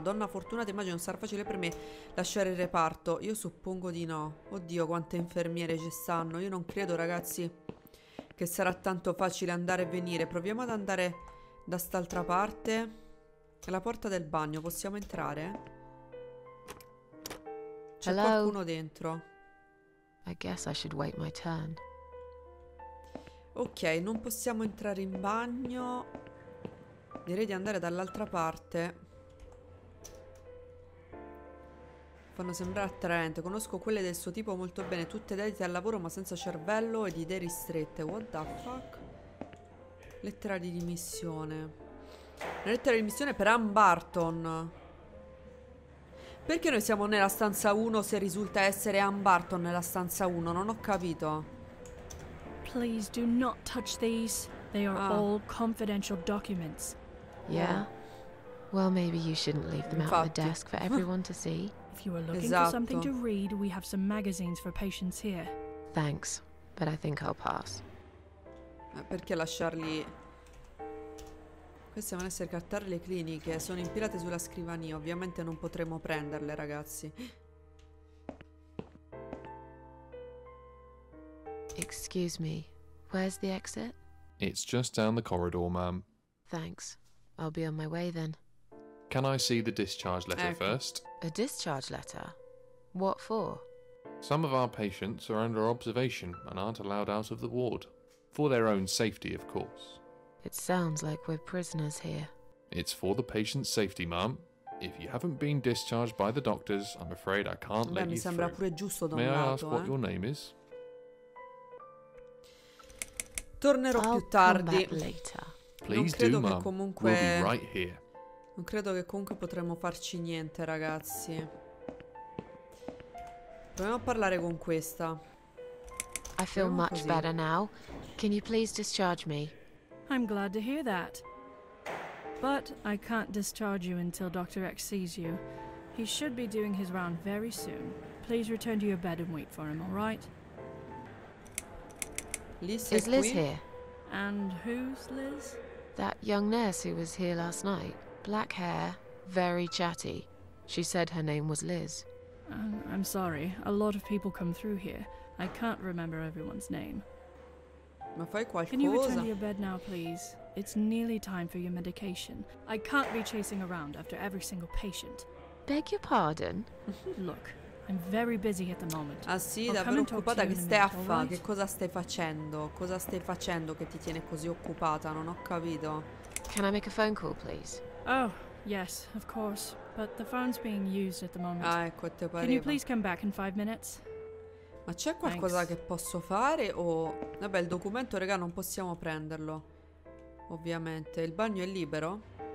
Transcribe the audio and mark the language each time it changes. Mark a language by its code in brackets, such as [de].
[it] Donna fortunata, immagino sarà facile per me lasciare il reparto. Io suppongo di no. Oddio, quante infermiere ci stanno. Io non credo, ragazzi, che sarà tanto facile andare e venire. Proviamo ad andare da st'altra parte. È la porta del bagno, possiamo entrare? C'è qualcuno dentro. [en] I guess I should wait my turn. [it] Ok, non possiamo entrare in bagno. Direi di andare dall'altra parte. Fanno sembrare attraente. Conosco quelle del suo tipo molto bene. Tutte dedite al lavoro ma senza cervello e di idee ristrette. [en] What the fuck? [it] Lettera di dimissione. Una lettera di dimissione per Ann Barton. Perché noi siamo nella stanza 1 se risulta essere Ann Barton nella stanza 1? Non ho capito. [en] Please do not touch these. They are all confidential documents. Yeah? Well, maybe you shouldn't leave them out on the desk for everyone to see. If you are looking for something to read, we have some magazines for patients here. Thanks, but I think I'll pass. [it] Perché lasciarli? Queste devono essere cartelle cliniche. Sono impilate sulla scrivania. Ovviamente non potremo prenderle, ragazzi. [en] Excuse me, where's the exit? It's just down the corridor, ma'am. Thanks, I'll be on my way then. Can I see the discharge letter first? A discharge letter? What for? Some of our patients are under observation and aren't allowed out of the ward. For their own safety, of course. It sounds like we're prisoners here. It's for the patient's safety, ma'am. If you haven't been discharged by the doctors, I'm afraid I can't let you through. May I ask what your name is? [it] Tornerò più tardi. [en] Please do, ma'am. We'll be right here. [it] Non credo che comunque potremmo farci niente, ragazzi. Proviamo a parlare con questa. [en] I feel much better now. Can you please discharge me? I'm glad to hear that. But I can't discharge you until Dr. X sees you. He should be doing his round very soon. Please return to your bed and wait for him, all right? Liz is Liz here? And who's Liz? That young nurse who was here last night. Black hair, very chatty. She said her name was Liz. I'm sorry. A lot of people come through here. I can't remember everyone's name. [it] Ma fai qualcosa. [en] Can you return to your bed now, please? It's nearly time for your medication. I can't be chasing around after every single patient. Beg your pardon? Look, I'm very busy at the moment. [it] Ah sì, davvero occupata? Che stai a fare? Che cosa stai facendo? Cosa stai facendo che ti tiene così occupata? Non ho capito. [en] Can I make a phone call, please? Oh, yes, of course. But the phone's being used at the moment. [it] Ah, ecco, te pareva. [en] Can you please come back in 5 minutes? [it] Ma c'è qualcosa che posso fare o... Vabbè, il documento, raga, non possiamo prenderlo. Ovviamente. Il bagno è libero?